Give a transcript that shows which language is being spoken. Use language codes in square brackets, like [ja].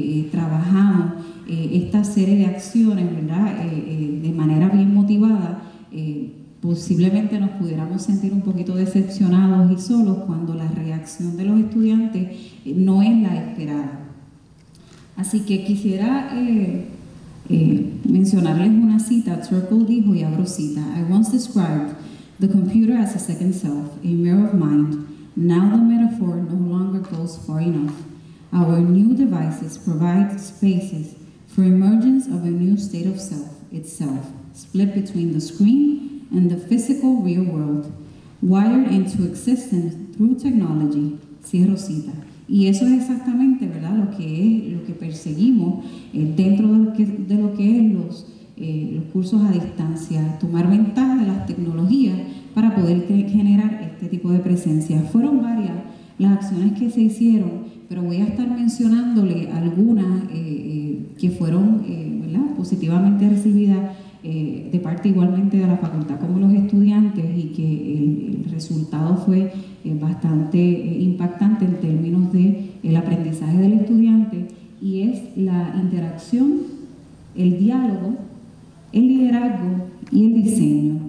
[es] trabajamos esta serie de acciones, ¿verdad?, de manera bien motivada, posiblemente nos pudiéramos sentir un poquito decepcionados y solos cuando la reacción de los estudiantes no es la esperada. Así que quisiera mencionarles una cita. Turkle dijo, y abro cita: [en] "I once described the computer as a second self, a mirror of mind. Now the metaphor no longer goes far enough. Our new devices provide spaces for emergence of a new state of self itself, split between the screen and the physical real world, wired into existence through technology." [es] Cierro cita. Y eso es exactamente, ¿verdad?, lo que es, lo que perseguimos dentro de lo que es los cursos a distancia: tomar ventaja de las tecnologías para poder generar este tipo de presencia. Fueron varias las acciones que se hicieron, pero voy a estar mencionándole algunas que fueron ¿verdad?, positivamente recibidas de parte igualmente de la facultad como los estudiantes, y que el resultado fue bastante impactante en términos de el aprendizaje del estudiante, y es la interacción, el diálogo, el liderazgo y el diseño.